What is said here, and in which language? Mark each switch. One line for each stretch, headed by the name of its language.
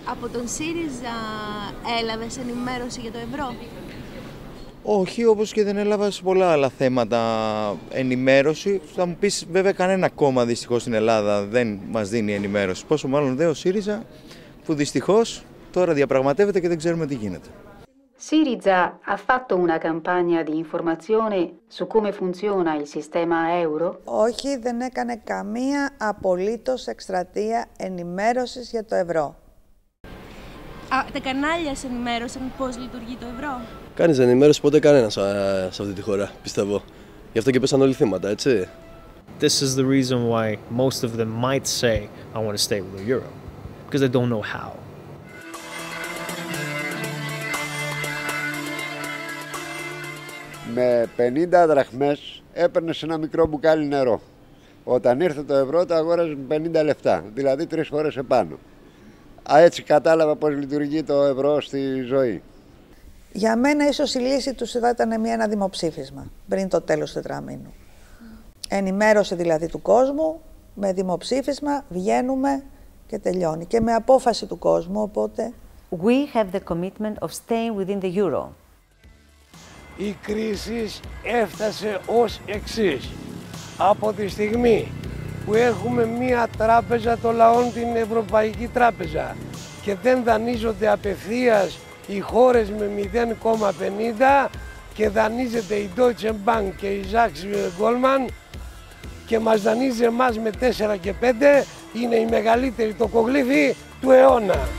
Greek: Από τον ΣΥΡΙΖΑ έλαβες ενημέρωση για το ευρώ? Όχι, όπως και δεν έλαβα σε πολλά άλλα θέματα ενημέρωση. Θα μου πεις, βέβαια, κανένα κόμμα δυστυχώς στην Ελλάδα δεν μας δίνει ενημέρωση. Πόσο μάλλον δε ο ΣΥΡΙΖΑ, που δυστυχώς τώρα διαπραγματεύεται και δεν ξέρουμε τι γίνεται.
Italian: ΣΥΡΙΖΑ ha fatto una campagna di informazione su come funziona il sistema euro?
Greek: Όχι, δεν έκανε καμία απολύτως εκστρατεία ενημέρωσης για το ευρώ. Τα κανάλια σε ενημέρωσαν πώς λειτουργεί το ευρώ? Κανείς δεν ενημέρωσε ποτέ κανένα σε αυτή τη χώρα, πιστεύω. Γι' αυτό και πέσαν όλοι θύματα, έτσι.
English: This is the reason why most of them might say I want to stay with the euro. Because they don't know how.
Greek: Με 50 δραχμές έπαιρνες ένα μικρό μπουκάλι νερό. Όταν ήρθε το ευρώ το αγόραζε με 50 λεφτά, δηλαδή 3 φορές επάνω. Έτσι κατάλαβα πώς λειτουργεί το ευρώ στη ζωή. Για μένα ίσως η λύση τους θα ήταν ένα δημοψήφισμα πριν το τέλος τετραμήνου. Ενημέρωση δηλαδή του κόσμου, με δημοψήφισμα βγαίνουμε και τελειώνει. Και με απόφαση του κόσμου, οπότε...
English: We have the commitment of staying within the euro.
Greek: Η κρίση έφτασε ως εξής. Από τη στιγμή που έχουμε μία τράπεζα των λαών, την Ευρωπαϊκή Τράπεζα, και δεν δανείζονται απευθείας οι χώρες με 0,50 και δανείζεται η Deutsche Bank και η Sachs Goldman και μας δανείζει εμάς με 4 και 5, είναι η μεγαλύτερη τοκογλύφη του αιώνα.